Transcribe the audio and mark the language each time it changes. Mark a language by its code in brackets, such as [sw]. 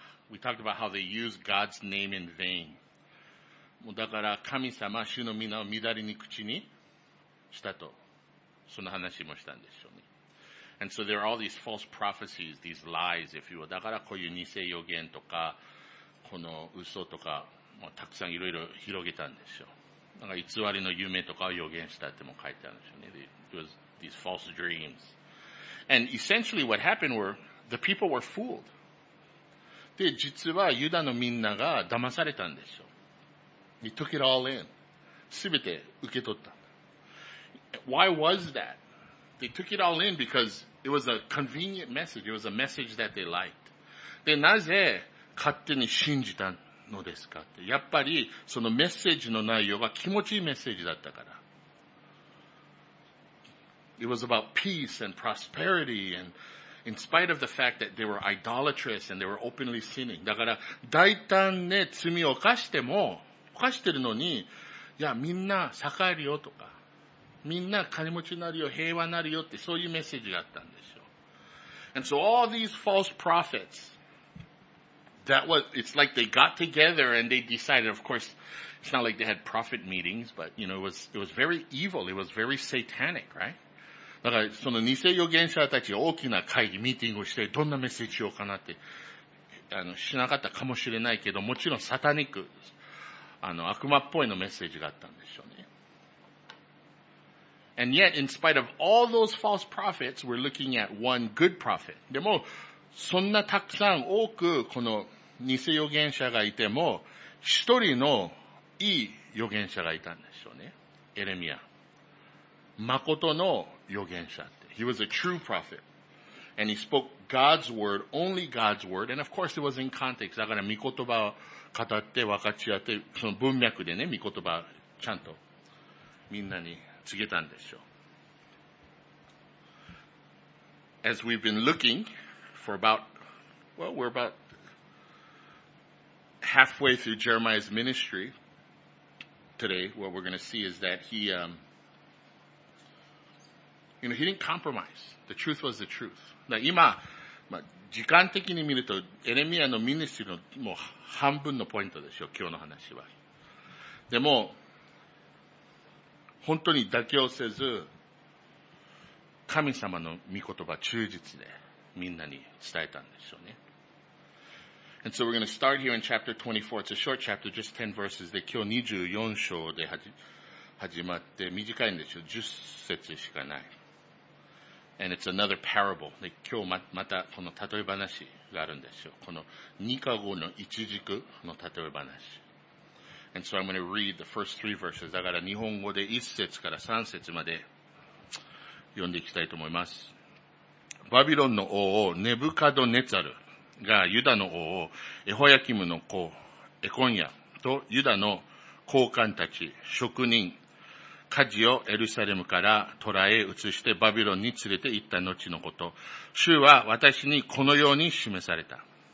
[en] We talked about how they use God's name in vain. [ja] もうだから神様、主の皆をみだりに口にしたと、その話もしたんでしょうね。 [en] And so there are all these false prophecies, these lies, if you will. [ja] だからこういう偽予言とか、この嘘とか、まあ、たくさんいろいろ広げたんですよ。なんか偽りの夢とかを予言したっても書いてあるんですよね。 [en] It was these false dreams. And essentially what happened were, the people were fooled. [ja] で、実はユダのみんなが騙されたんですよ。 [en] He took it all in. [ja] すべて受け取った。 [en] Why was that? They took it all in because it was a convenient message. It was a message that they liked. [ja] で、なぜ勝手に信じたのですかって。やっぱりそのメッセージの内容が気持ちいいメッセージだったから。 [en] It was about peace and prosperity and in spite of the fact that they were idolatrous and they were openly sinning. [ja] だから大胆ね、罪を犯しても、犯してるのに、いや、みんな栄えるよとか。みんな金持ちになるよ、平和になるよって、そういうメッセージがあったんですよ。 [en] And so all these false prophets, that was, it's like they got together and they decided, of course, it's not like they had prophet meetings, but you know, it was very evil, it was very satanic, right? [ja] だから、その偽預言者たち大きな会議、ミーティングをして、どんなメッセージをかなって、しなかったかもしれないけど、もちろんサタニック、悪魔っぽいのメッセージがあったんでしょうね。 [en] And yet, in spite of all those false prophets, we're looking at one good prophet. [ja] でも、そんなたくさん多くこの偽預言者がいても、一人のいい預言者がいたんでしょうね。エレミア。誠の預言者って。 [en] He was a true prophet. And he spoke God's word, only God's word. And of course, it was in context. [ja] だから、御言葉を語って分かち合って、その文脈でね、御言葉をちゃんとみんなに。告げたんでしょう。 [en] As we've been looking for about, well, we're about halfway through Jeremiah's ministry today, what we're going to see is that he didn't compromise. The truth was the truth. [ja] 今、まあ、時間的に見ると、エレミアのミニストリーのもう半分のポイントでしょう、今日の話は。でも、本当に妥協せず、神様の御言葉忠実でみんなに伝えたんでしょうね。 [en] And so we're going to start here in chapter 24. It's a short chapter, just 10 verses. で、 [ja] 今日24章で始まって短いんですよ。 10節しかない。 [en] And it's another parable. [ja] で、今日またこの例え話があるんですよ。この2か5の一軸の例え話。 [en] And so I'm going to read the first three verses. [ja] だから日本語で1節から3節まで読んでいきたいと思います。バビロンの王ネブカドネザルがユダの王エホヤキムの子エコンヤとユダの高官たち職人家事をエルサレムから捕らえ移してバビロンに連れて行った後のこと、主は私にこのように示された。